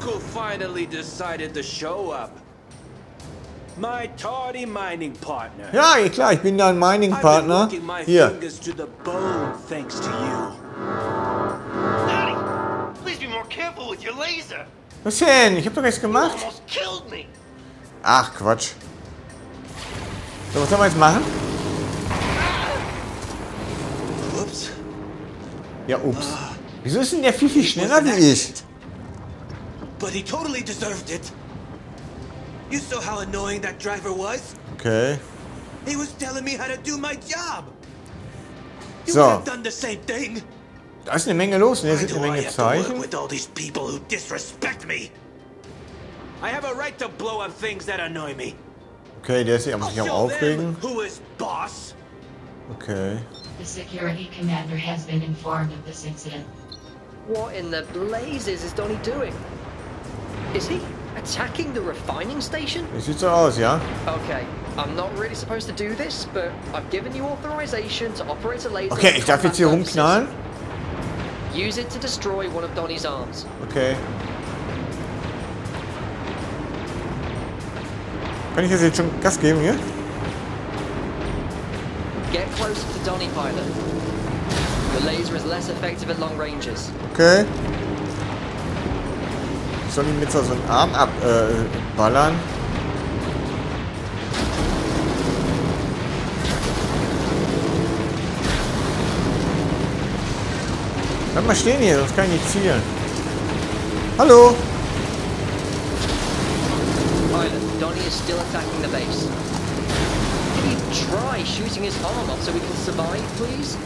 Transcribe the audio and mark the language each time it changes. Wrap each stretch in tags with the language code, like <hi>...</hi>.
<en>Finally decided to show up. My tardy mining partner.</en> <de>Ja, klar, ich bin dein Mining Partner. Hier.</de> <en>Thanks to you. Please be more careful with your laser.</en> <de>Was denn? Ich hab doch nichts gemacht. Ach Quatsch. So, was soll man jetzt machen? Ups. Ja, ups. Wieso ist denn der viel schneller wie ich?</de> <en>But he totally deserved it. You saw how annoying that driver was. Okay. He was telling me how to do my job. So. You would have done the same thing.</en> <de>Da ist eine Menge los, ne? Da sind eine Menge Zeichen.</de> <en>With all these people who disrespect me. I have a right to blow up things that annoy me.</en> <de>Okay, der ist ja auch am aufregen.</de> <en>Who is boss? Okay. The security commander has been informed of this incident. What in the blazes is Donnie doing? Is he attacking the refining station?</en> <de>It sieht so aus, ja.</de> <en>Okay, I'm not really supposed to do this, but I've given you authorization to operate a laser.</en> <de>Okay, ich darf jetzt hier rumknallen.</de> <en>Use it to destroy one of Donnie's arms. Okay.</en> <de>Kann ich jetzt schon Gas geben hier?</de> <en>Get closer to Donnie, pilot. The laser is less effective at long ranges. Okay.</en> <de>Soll ich mit so einem Arm ab ballern? Bleib mal stehen hier, sonst kann ich nicht zielen. Hallo?</de> <en>Pilot, Donnie is still attacking the base. Can you try shooting his arm off so we can survive, please?</en>